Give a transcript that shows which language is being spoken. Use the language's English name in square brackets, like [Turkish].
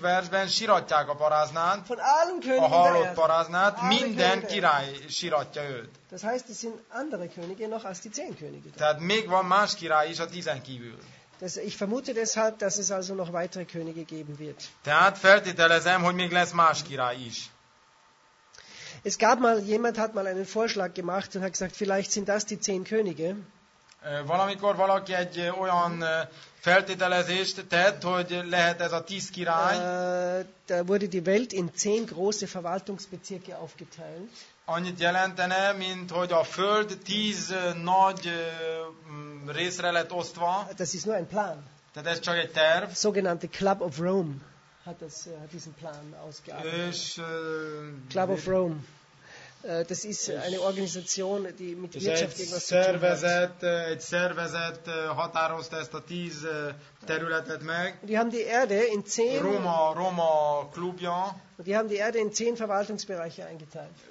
[Hungarian] versben siratják a paráznát, a halott paráznát, minden király siratja őt. [German] Das heißt, es sind andere Könige noch als die 10 Könige. [Hungarian] Tehát még van más király is a 10 kívül. [German] Ich vermute deshalb, dass es also noch weitere Könige geben wird. [Hungarian] Tehát feltételezem, hogy még lesz más király is. [German] Es gab mal, jemand hat mal einen Vorschlag gemacht und hat gesagt, vielleicht sind das die 10 Könige. [Hungarian] Valamikor valaki egy olyan feltételezést tett, hogy lehet ez a 10 király. [German] Da wurde die Welt in 10 große Verwaltungsbezirke aufgeteilt. [Hungarian] Annyit jelentene, mint hogy a Föld 10 nagy részre lett osztva. [German] Das ist nur ein Plan. [Hungarian] Tehát ez csak egy terv. [German] Sogenannte Club of Rome hat diesen Plan ausgearbeitet. Club of Rome. Das ist eine Organisation, die mit Wirtschaft irgendwas zu tun hat. [Hungarian] Egy szervezet határozta ezt a 10 területet meg. [German] Die haben die Erde in 10 [Hungarian] Roma klubja. [German] Die haben die Erde in 10 Verwaltungsbereiche eingeteilt.